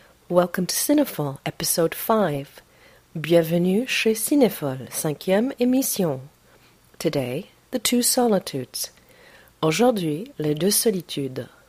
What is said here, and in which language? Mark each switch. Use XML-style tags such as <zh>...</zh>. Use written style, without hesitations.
<en>Welcome to Cinéphile, episode 5.</en> <fr>Bienvenue chez Cinéphile, cinquième émission.</fr> <en>Today, the two solitudes.</en> <fr>Aujourd'hui, les deux solitudes.</fr>